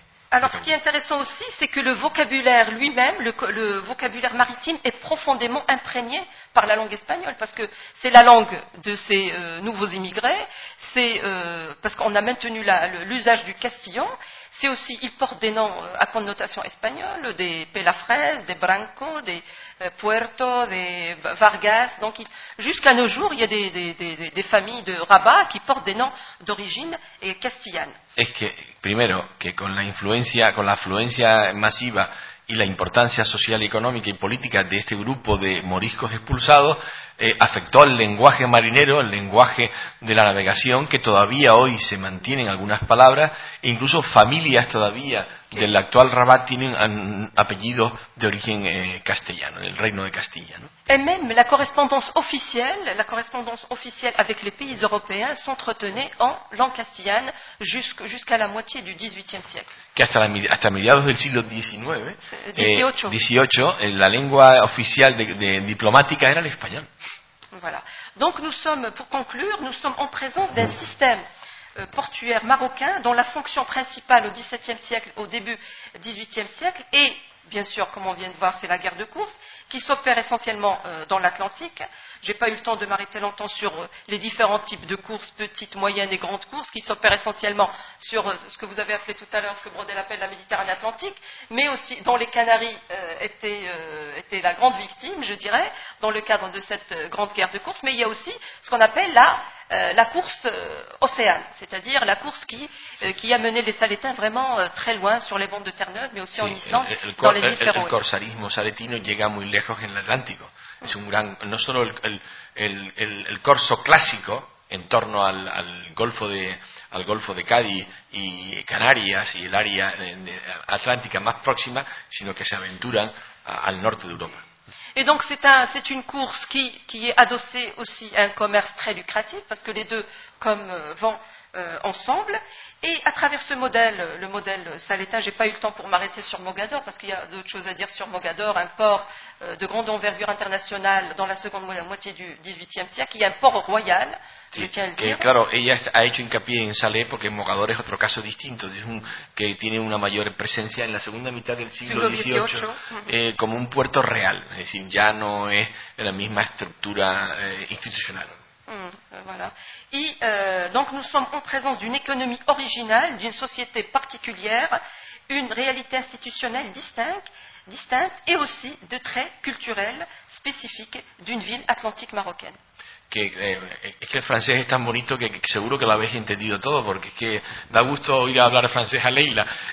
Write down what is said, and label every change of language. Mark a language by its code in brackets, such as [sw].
[fr] Alors, ce qui est intéressant aussi, c'est que le vocabulaire lui-même, le vocabulaire maritime, est profondément imprégné par la langue espagnole, parce que c'est la langue de ces nouveaux immigrés, c'est parce qu'on a maintenu l'usage du castillan, c'est aussi, ils portent des noms à connotation espagnole, des Pelafres, des Branco, des Puerto, des Vargas, donc jusqu'à nos jours, il y a des familles de Rabat qui portent des noms d'origine castillane. [es] Es que, primero, que con la afluencia masiva y la importancia social, económica y política de este grupo de moriscos expulsados, afectó al lenguaje marinero, el lenguaje de la navegación, que todavía hoy se mantienen algunas palabras, e incluso familias todavía del actual Rabat tienen apellidos de origen castellano, del reino de Castilla, ¿no? [fr] Et même la correspondance officielle avec les pays européens s'entretenait en langue castillane jusqu'à la moitié du XVIIIe siècle. [es] Que hasta mediados del siglo XIX, 18, la lengua oficial de diplomática era el español. [fr] Voilà. Donc nous sommes, pour conclure, nous sommes en présence d'un système portuaire marocain dont la fonction principale au XVIIe siècle, au début XVIIIe siècle, est bien sûr, comme on vient de voir, c'est la guerre de course, qui s'opère essentiellement dans l'Atlantique. Je n'ai pas eu le temps de m'arrêter longtemps sur les différents types de courses, petites, moyennes et grandes courses, qui s'opèrent essentiellement sur ce que vous avez appelé tout à l'heure, ce que Brodel appelle la Méditerranée Atlantique, mais aussi dont les Canaries étaient la grande victime, je dirais, dans le cadre de cette grande guerre de course. Mais il y a aussi ce qu'on appelle la course océane, c'est-à-dire la course qui a mené les salétins vraiment très loin sur les bandes de Terre-Neuve, mais aussi en Islande, dans les différents... [es] El corsarismo saletino llega muy lejos en el Atlántico. Es un gran, no solo el corso clásico en torno al Golfo de Cádiz y Canarias y el área atlántica más próxima, sino que se aventuran al norte de Europa. [fr] Et donc c'est une course qui est adossée aussi à un commerce très lucratif, parce que les deux vont ensemble. Et à travers ce modèle, le modèle salétin, je n'ai pas eu le temps pour m'arrêter sur Mogador, parce qu'il y a d'autres choses à dire sur Mogador, un port de grande envergure internationale dans la seconde moitié du XVIIIe siècle, qui est un port royal, [es] sí, [fr] je tiens à le dire. [es] Claro, ella ha hecho hincapié en Salé, porque Mogador es otro caso distinto, que tiene una mayor presencia en la segunda mitad del siglo XVIII, como un puerto real, es decir, ya no es la misma estructura institucional. [fr] Voilà. Et donc nous sommes en présence d'une économie originale, d'une société particulière, une réalité institutionnelle distincte et aussi de traits culturels spécifiques d'une ville atlantique marocaine. [es] Es que el francés es tan bonito que seguro que lo habéis entendido todo, porque es que da gusto oír hablar francés a Leila.